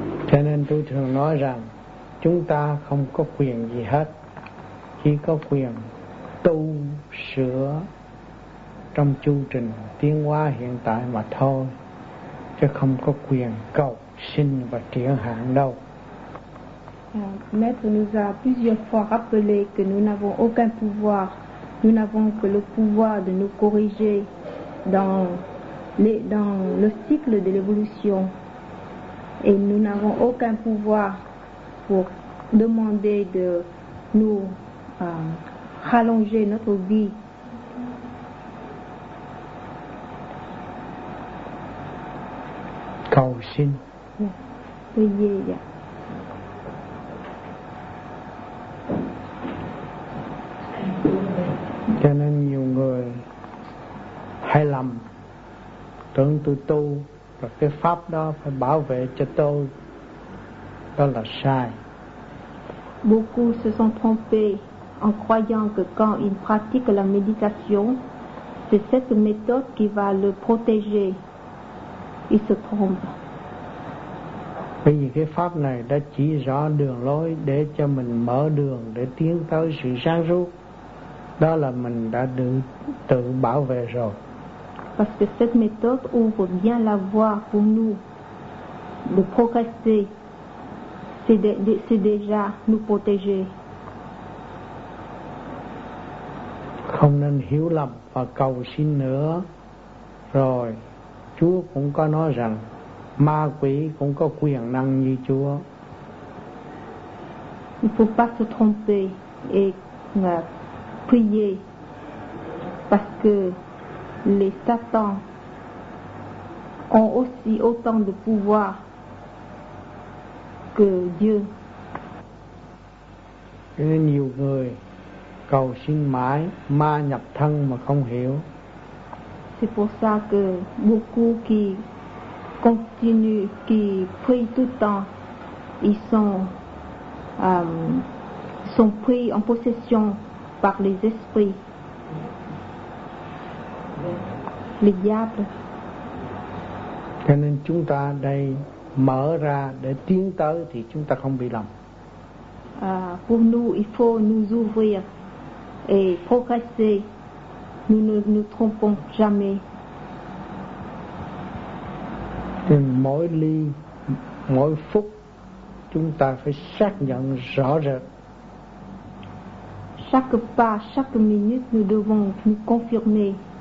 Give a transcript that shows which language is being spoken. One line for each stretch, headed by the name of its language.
Vietnamese: Cho nên tôi thường nói rằng chúng ta không có quyền gì hết, chỉ có quyền tu sửa trong chu trình tiến hóa hiện tại mà thôi, chứ không có quyền cầu xin và triển hạn đâu.
French: Maître nous a plusieurs fois rappelé que nous n'avons aucun pouvoir, nous n'avons que le pouvoir de nous corriger dans le cycle de l'évolution. Et nous n'avons aucun pouvoir pour demander de nous rallonger notre vie.
Vietnamese: Cầu xin.
French: Priez. Yeah.
Vietnamese: Cho nên nhiều người hay lầm, tưởng tôi tu và cái pháp đó phải bảo vệ cho tôi, đó là sai.
French: Beaucoup se sont trompés en croyant que quand il pratique la méditation, c'est cette méthode qui va le protéger. Ils se trompent.
Vietnamese: Bởi vì cái pháp này đã chỉ rõ đường lối để cho mình mở đường để tiến tới sự sáng suốt, đó là mình đã được tự bảo vệ rồi.
French: Parce que cette méthode ouvre bien la voie pour nous de progresser, c'est déjà nous protéger.
Vietnamese: Không nên hiểu lầm và cầu xin nữa. Rồi, Chúa cũng có nói rằng ma quỷ cũng có quyền năng như Chúa.
French: Il ne faut pas se tromper et prier parce que les satans ont aussi autant de pouvoir que Dieu.
Vietnamese: Nhiều người cầu xin mãi ma nhập thân mà không hiểu.
French: C'est pour ça que beaucoup qui continuent, qui prient tout le temps, ils sont pris en possession par les esprits. Les diables.
Vietnamese: Cho nên chúng ta đây mở ra để tiến tới thì chúng ta không bị lầm.
French: Pour nous, il faut nous ouvrir et progresser. Nous ne nous trompons jamais.
Vietnamese: Thì mỗi ly, mỗi phút, chúng ta phải xác nhận rõ rệt.
French: Chaque pas, chaque minute, nous devons nous confirmer.